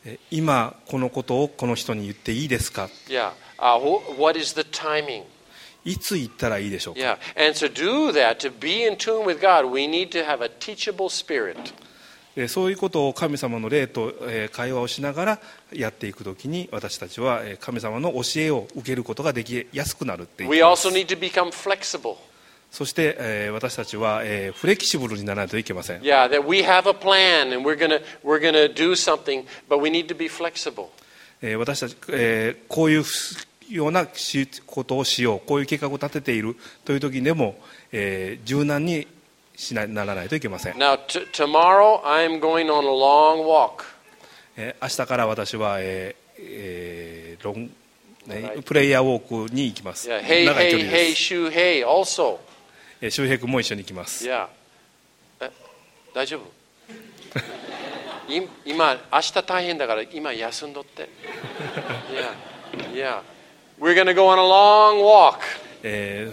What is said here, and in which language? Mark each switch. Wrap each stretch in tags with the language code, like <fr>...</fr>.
<ja>今このことをこの人に言っていいですか？</ja> <en>Yeah. What is the timing?</en> <ja>いつ行ったらいいでしょうか。</ja> <en>Yeah. And to do that, to be in tune with God, we need to have a teachable spirit.</en> <ja>そういうことを神様の霊と会話をしながらやっていくときに、私たちは神様の教えを受けることができやすくなるっていう。</ja> <en>We also need to become flexible.</en> <ja>そして、私たちは、フレキシブルにならないといけません。</ja> <en>Yeah, that we have a plan and we're gonna do something, but we need to be flexible.</en> <ja>私たち、こういうようなことをしよう、こういう計画を立てているという時でも、柔軟にしな、ならないといけません。</ja> <en>Now, tomorrow I'm going on a long walk.</en> <ja>明日から私は、プレイヤーウォークに行きます。</ja> <en>Yeah, hey,</en> <ja>長い距離です。</ja> <en>Hey, hey, hey, hey, shoe, hey, also.</en> <ja>周平君も一緒に行きます。いや、大丈夫。今明日大変だから今休んどって。</ja> <en>いやいや、we're gonna go on a long walk。</en>